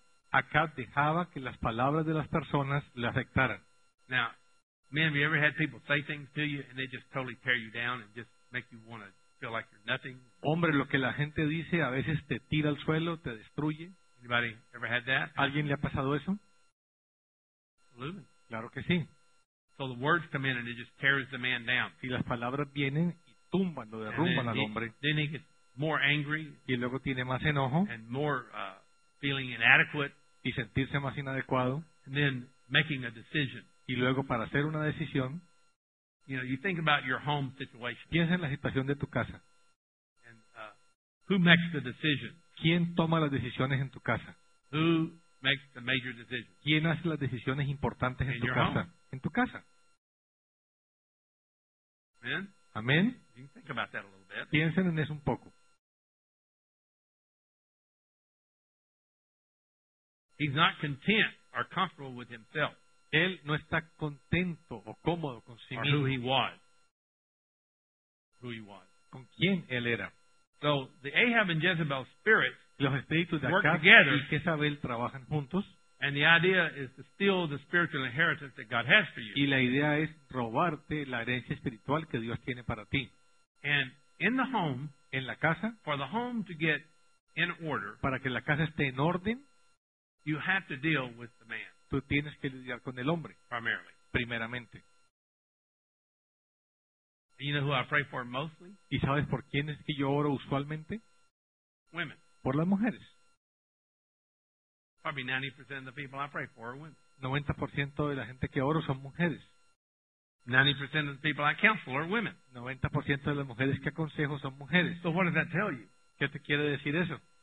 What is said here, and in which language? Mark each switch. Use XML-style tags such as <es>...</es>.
<es>Acab dejaba que las palabras de las personas le afectaran.</es> <en>Now, man, have you ever had people say things to you and they just totally tear you down and just make you want to feel like you're nothing?</en> <es>Hombre, lo que la gente dice a veces te tira al suelo, te destruye.</es> <en>Anybody ever had that?</en> <es>¿Alguien le ha pasado eso?</es> <en>Absolutely.</en> <es>Claro que sí.</es> <en>So the words come in and it just tears the man down.</en> <es>Y las palabras vienen y tumban, lo derrumban al hombre.</es> <en>Then he gets more angry.</en> <es>Y luego tiene más enojo.</es> <en>And more feeling inadequate.</en> <es>Y sentirse más inadecuado.</es> <en>And then making a decision.</en> <es>Y luego, para hacer una decisión,</es> <en>you know, you think about your home situation.</en> <es>Piensa en la situación de tu casa.</es> <en>And, who makes the decision?</en> <es>¿Quién toma las decisiones en tu casa?</es> <en>Who makes the major decisions?</en> <es>¿Quién hace las decisiones importantes</es> <en>in</en> <es>en tu casa?</es> <en>Home.</en> <es>En tu casa.</es> <en>Amen.</en> <es>Amén.</es> <en>You can think about that a little bit.</en> <es>Piensen en eso un poco.</es> <en>He's not content or comfortable with himself.</en> <es>Él no está contento o cómodo con sí mismo.</es> <en>Or who he was.</en> <es>Con quién él era.</es> <en>So the Ahab and Jezebel spirits</en> <es>los espíritus de</es> <en>work</en> <es>Acab</es> <en>together,</en> <es>y Jezabel trabajan juntos.</es> <en>And the idea is to steal the spiritual inheritance that God has for you.</en> <es>Y la idea es robarte la herencia espiritual que Dios tiene para ti.</es> <en>And in the home,</en> <es>en la casa,</es> <en>for the home to get in order,</en> <es>para que la casa esté en orden,</es> <en>you have to deal with the man.</en> <es>Tú tienes que lidiar con el hombre,</es> <en>primarily.</en> <es>Primeramente.</es> <en>You know who I pray for mostly?</en> <es>¿Y sabes por quién es que yo oro usualmente?</es> <en>Women.</en> <es>Por las mujeres.</es> <en>Probably 90% of the people I pray for are women.</en> <es>90% de la gente que oro son mujeres.</es> <en>90% of the people I counsel are women.</en> <es>90% de las mujeres que aconsejo son mujeres.</es> <en>So what does that tell you?</en> <es>¿Qué te quiere decir eso?</es>